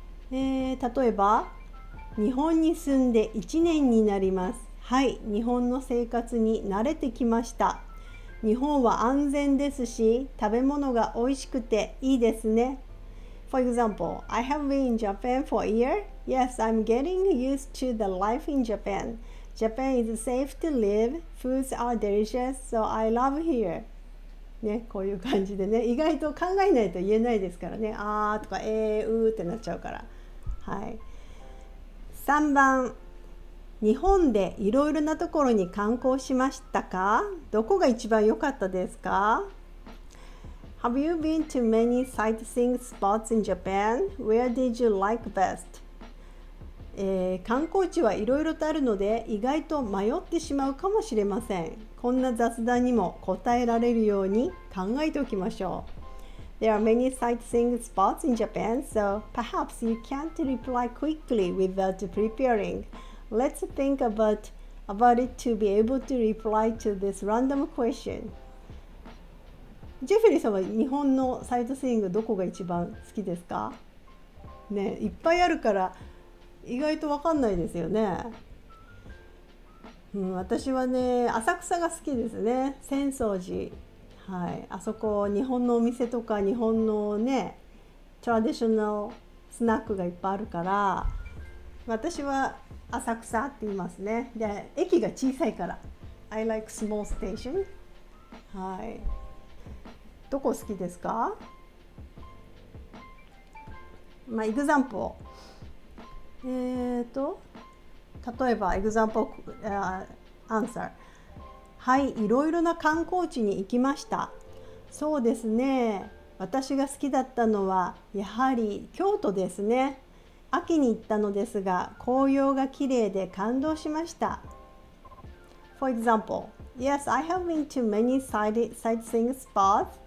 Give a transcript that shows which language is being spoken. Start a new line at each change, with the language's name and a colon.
Japanese: 例えば日本に住んで1年になります。はい、日本の生活に慣れてきました。日本は安全ですし、食べ物が美味しくていいですね。
English: For example, I have been in Japan for a year. Yes, I'm getting used to the life in Japan. Japan is safe to live. Foods are delicious, so I love here.
Japanese: ね、こういう感じでね、意外と考えないと言えないですからね。あーとかうーってなっちゃうから。はい。 3番。日本でいろいろなところに観光しましたか？どこが一番良かったですか？
English: Have you been to many sightseeing spots in Japan? Where did you like best?
Japanese: 観光地はいろいろとあるので、意外と迷ってしまうかもしれません。こんな雑談にも答えられるように考えておきましょう。
English: There are many sightseeing spots in Japan, so perhaps you can't reply quickly without preparing. Let's think about it to be able to reply to this random question.
Japanese: ジェフリーさんは日本のサイトスイングどこが一番好きですか？ね、いっぱいあるから意外と分かんないですよね。うん、私はね、浅草が好きですね。浅草寺。はい、あそこ日本のお店とか日本のね、トラディショナルスナックがいっぱいあるから、私は浅草って言いますね。で、駅が小さいから。
English: I like small station.
Japanese: はい。どこ好きですか？
English: まあ、example。
Japanese: 例えば、
English: example、answer。
Japanese: はい、いろいろな観光地に行きました。そうですね。私が好きだったのは、やはり京都ですね。秋に行ったのですが、紅葉が綺麗で感動しました。
English: For example, yes, I have been to many sightseeing spots.